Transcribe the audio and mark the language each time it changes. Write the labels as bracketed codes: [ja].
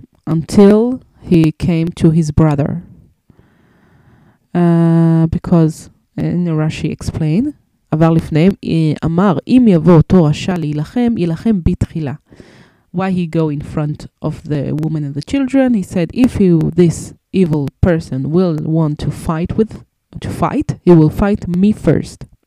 [en] Until he came to his brother. Because... And Rashi explained. [he] עבר לפניהם, אמר, אם יבוא אותו רשע להילחם, יילחם בתחילה. [en] Why he go in front of the woman and the children? He said, if you, this evil person will want to fight with, to fight, he will fight me first.